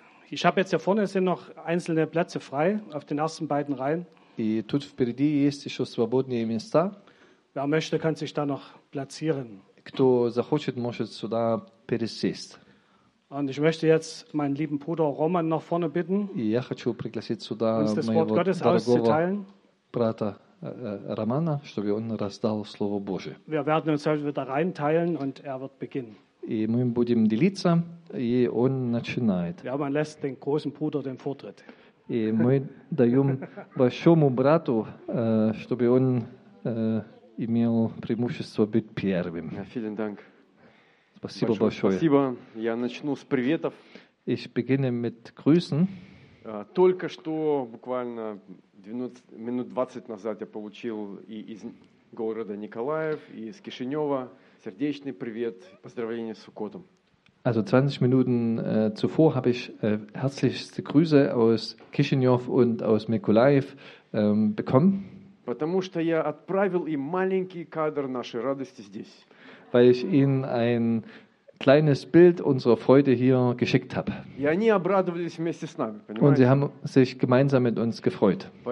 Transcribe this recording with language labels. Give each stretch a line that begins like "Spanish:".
German: Ich habe jetzt hier vorne, sind noch einzelne Plätze frei, auf den ersten beiden Reihen.
Russian: И тут впереди есть еще свободные места.
German: Wer möchte, kann sich da noch platzieren.
Russian: Кто захочет, может сюда пересесть.
German: Und ich möchte jetzt meinen lieben Bruder Roman nach vorne bitten, uns das Wort Gottes auszuteilen.
Russian: Брата Романа, чтобы он раздал Слово Божие.
German: Wir werden uns heute wieder reinteilen und er wird beginnen.
Russian: И мы будем делиться, и он начинает.
German: Ja, man lässt den großen Bruder den Vortritt.
Russian: И мы даем большому брату, чтобы он имел преимущество быть первым.
German: Vielen Dank.
Russian: Спасибо большое. Спасибо. Я начну с приветов.
German: Ich beginne mit Grüßen.
Russian: Только что, буквально 12, минут 20 назад, я получил и из города Николаев, и из Кишинева сердечный привет, поздравления с Суккотом.
German: Also 20 Minuten zuvor habe ich herzlichste Grüße aus Kishinev und aus Mykolaiv bekommen.
Russian: Потому что я отправил им маленький кадр нашей радости здесь.
German: Weil ich ihnen ein kleines Bild unserer Freude hier geschickt habe. Und sie haben sich gemeinsam mit uns gefreut.